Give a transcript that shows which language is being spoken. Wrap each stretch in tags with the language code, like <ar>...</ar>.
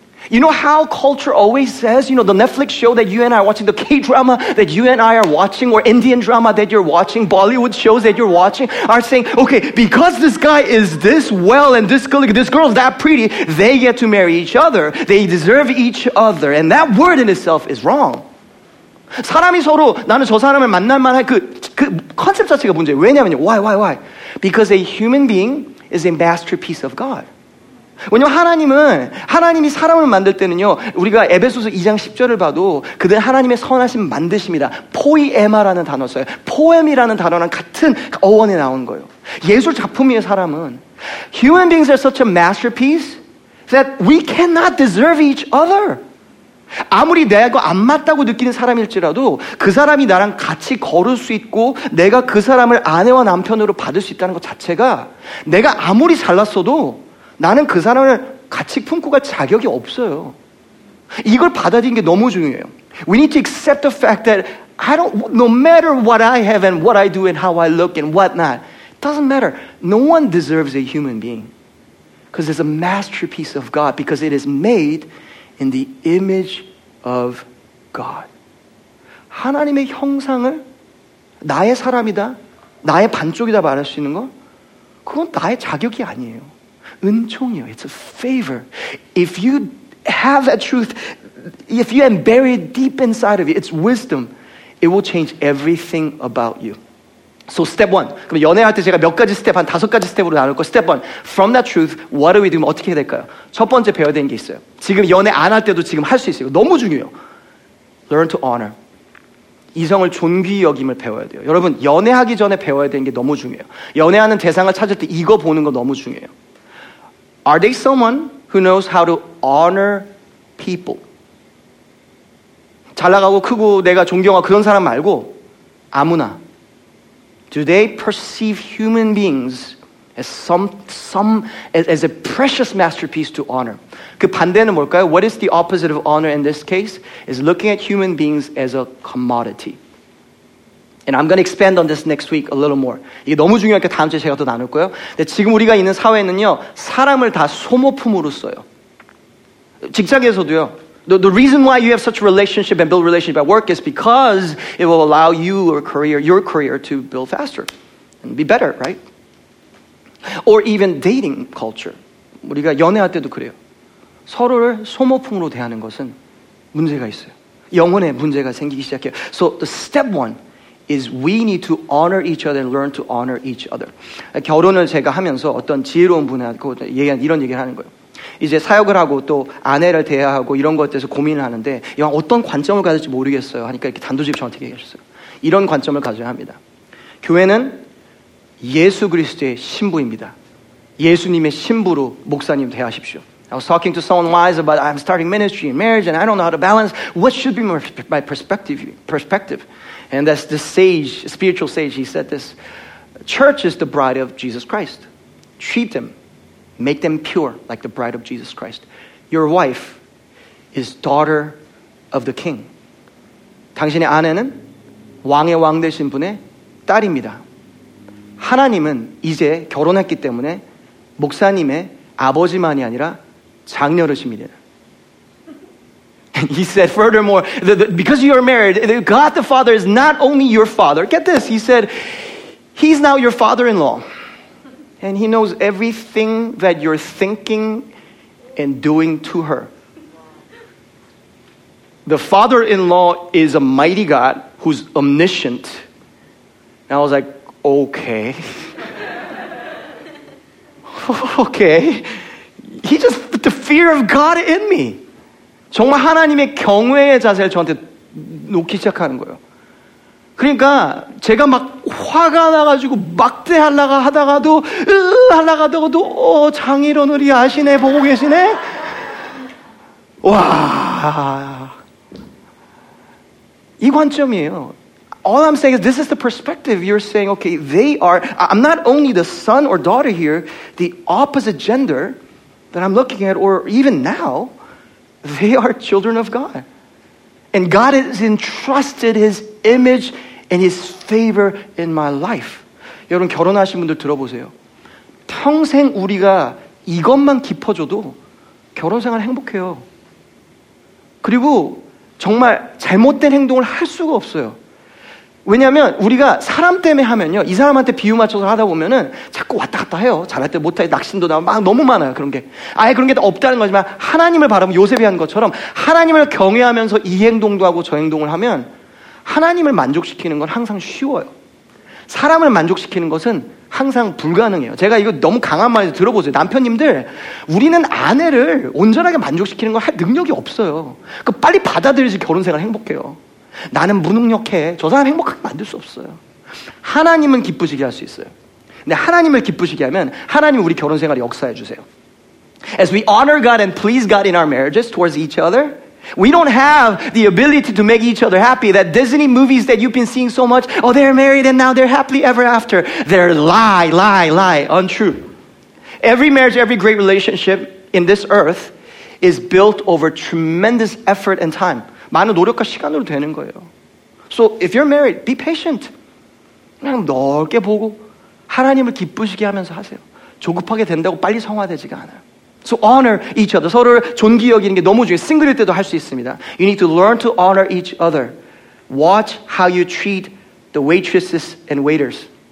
<en>You know how culture always says, you know, the Netflix show that you and I are watching, the K-drama that you and I are watching, or Indian drama that you're watching, Bollywood shows that you're watching, are saying, okay, because this guy is this well and this girl's that pretty, they get to marry each other. They deserve each other. And that word in itself is wrong.</en> <ko>사람이 서로 나는 저 사람을 만날 만한 그 컨셉 자체가 문제예요. 왜냐면요.</ko> <en>Why? Because a human being is a masterpiece of God.</en> <ko>왜냐면 하나님이 사람을 만들 때는요, 우리가 에베소서 2장 10절을 봐도 그들은 하나님의 선하신 만드십니다. 포이에마라는 단어 써요. 포엠이라는 단어랑 같은 어원에 나온 거예요. 예술 작품이에요, 사람은.</ko> <en>Human beings are such a masterpiece that we cannot deserve each other.</en> <ko>아무리 내가 안 맞다고 느끼는 사람일지라도 그 사람이 나랑 같이 걸을 수 있고 내가 그 사람을 아내와 남편으로 받을 수 있다는 것 자체가 내가 아무리 잘났어도 나는 그 사람을 같이 품고 갈 자격이 없어요. 이걸 받아들인 게 너무 중요해요.</ko> <en>We need to accept the fact that I don't, no matter what I have and what I do and how I look and what not, it doesn't matter. No one deserves a human being. Because it's a masterpiece of God because it is made in the image of God.</en> <ko>하나님의 형상을 나의 사람이다, 나의 반쪽이다 말할 수 있는 거? 그건 나의 자격이 아니에요. 은총이요.</ko> <en>It's a favor. If you have that truth, if you have buried deep inside of you, it's wisdom. It will change everything about you. So step one.</en> <ko>그럼 연애할 때 제가 몇 가지 스텝, 한 다섯 가지 스텝으로 나눌 거.</ko> <en>Step one. From that truth, what do we do?</en> <ko>어떻게 해야 될까요? 첫 번째 배워야 되는 게 있어요. 지금 연애 안 할 때도 지금 할 수 있어요. 너무 중요해요.</ko> <en>Learn to honor.</en> <ko>이성을 존귀히 여김을 배워야 돼요. 여러분, 연애하기 전에 배워야 되는 게 너무 중요해요. 연애하는 대상을 찾을 때 이거 보는 거 너무 중요해요.</ko> <en>Are they someone who knows how to honor people?</en> <ko>잘나가고 크고 내가 존경하고 그런 사람 말고 아무나.</ko> <en>Do they perceive human beings as a precious masterpiece to honor?</en> <ko>그 반대는 뭘까요?</ko> <en>What is the opposite of honor in this case? Is looking at human beings as a commodity. And I'm going to expand on this next week a little more.</en> <ko>이게 너무 중요할 게 다음 주에 제가 또 나눌 거예요. 근데 지금 우리가 있는 사회는요, 사람을 다 소모품으로 써요. 직장에서도요.</ko> <en>The reason why you have such a relationship and build a relationship at work is because it will allow you or your career to build faster and be better, right? Or even dating culture.</en> <ko>우리가 연애할 때도 그래요. 서로를 소모품으로 대하는 것은 문제가 있어요. 영혼에 문제가 생기기 시작해요.</ko> <en>So the step one is we need to honor each other and learn to honor each other.</en> <ko>결혼을 제가 하면서 어떤 지혜로운 분하고 이런 얘기를 하는 거예요. 이제 사역을 하고 또 아내를 대하고 이런 것에 대해서 고민을 하는데 이왕 어떤 관점을 가질지 모르겠어요 하니까 이렇게 단도직입 저한테 얘기하셨어요. 이런 관점을 가져야 합니다. 교회는 예수 그리스도의 신부입니다. 예수님의 신부로 목사님 대하십시오.</ko> <en>I was talking to someone wise about I'm starting ministry and marriage and I don't know how to balance. What should be my perspective? And that's the sage, spiritual sage, he said this. Church is the bride of Jesus Christ. Treat them. Make them pure like the bride of Jesus Christ. Your wife is daughter of the king.</en> <ko>당신의 아내는 왕의 왕 되신 분의 딸입니다. 하나님은 이제 결혼했기 때문에 목사님의 아버지만이 아니라 장녀르십니다.</ko> <en>He said, furthermore, because you are married, God the Father is not only your father. Get this, he said, he's now your father-in-law. And he knows everything that you're thinking and doing to her. The father-in-law is a mighty God who's omniscient. And I was like, okay. Okay. He just put the fear of God in me.</en> <ko>정말 하나님의 경외의 자세를 저한테 놓기 시작하는 거예요. 그러니까 제가 막 화가 나가지고 막대하려고 하다가도 하려고 하다가도 장일원 우리 아시네 보고 계시네 와 이 관점이에요.</ko> <en>All I'm saying is this is the perspective you're saying okay they are I'm not only the son or daughter here the opposite gender that I'm looking at or even now they are children of God and God has entrusted his image and his favor in my life.</en> <ko>여러분 결혼하신 분들 들어보세요. 평생 우리가 이것만 깊어줘도 결혼 생활 행복해요. 그리고 정말 잘못된 행동을 할 수가 없어요. 왜냐하면 우리가 사람 때문에 하면요. 이 사람한테 비유 맞춰서 하다 보면은 자꾸 왔다 갔다 해요. 잘할 때 못할 때 낙심도 나고 막 너무 많아요. 그런 게. 아예 그런 게 없다는 거지만 하나님을 바라보면 요셉이 한 것처럼 하나님을 경외하면서 이 행동도 하고 저 행동을 하면 하나님을 만족시키는 건 항상 쉬워요. 사람을 만족시키는 것은 항상 불가능해요. 제가 이거 너무 강한 말에서 들어보세요. 남편님들, 우리는 아내를 온전하게 만족시키는 걸 할 능력이 없어요. 그 빨리 받아들이지 결혼생활 행복해요. 나는 무능력해. 저 사람 행복하게 만들 수 없어요. 하나님은 기쁘시게 할 수 있어요. 근데 하나님을 기쁘시게 하면 하나님 우리 결혼생활에 역사해 주세요.</ko> <en>As we honor God and please God in our marriages towards each other, we don't have the ability to make each other happy. That Disney movies that you've been seeing so much, oh, they're married and now they're happily ever after. They're lie, lie, lie, untrue. Every marriage, every great relationship in this earth is built over tremendous effort and time.</en> <ko>많은 노력과 시간으로 되는 거예요.</ko> <en>So if you're married, be patient.</en> <ko>그냥 넓게 보고 하나님을 기쁘시게 하면서 하세요. 조급하게 된다고 빨리 성화되지가 않아요.</ko> <en>So honor each other.</en> <ko>서로를 존귀 여기는 게 너무 중요해요. 싱글일 때도 할 수 있습니다.</ko> <en>You need to learn to honor each other. Watch how you treat the waitresses and waiters.</en>